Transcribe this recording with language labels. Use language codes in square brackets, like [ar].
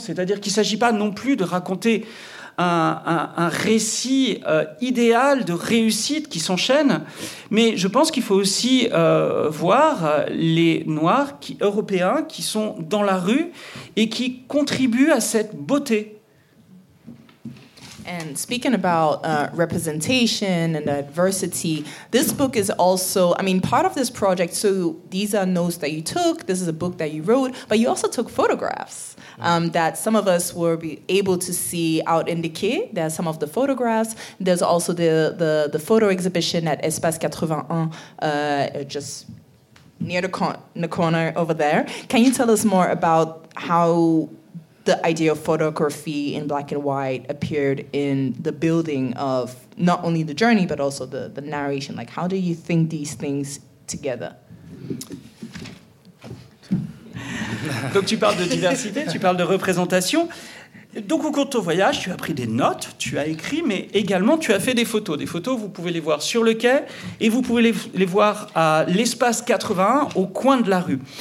[fr] C'est-à-dire qu'il ne s'agit pas non plus de raconter un récit idéal de réussite qui s'enchaîne, mais je pense qu'il faut aussi voir les Noirs européens qui sont dans la rue et qui contribuent à cette beauté. [en] And speaking about representation and diversity, this book is also, I mean, part of this project, so these are notes that you took, this is a book that you wrote, but you also took photographs that some of us were able to see out in the quay. There are some of the photographs. There's also the photo exhibition at Espace 81, just near the corner over there. Can you tell us more about how the idea of photography in black and white appeared in the building of not only the journey, but also the narration? Like, how do you think these things together? [fr] Donc, tu parles de diversité, tu parles de représentation. Donc, au cours de ton voyage, tu as pris des notes, tu as écrit, mais également, tu as fait des photos. Des photos, vous pouvez les voir sur le quai, et vous pouvez les voir à l'espace 81, au coin de la rue.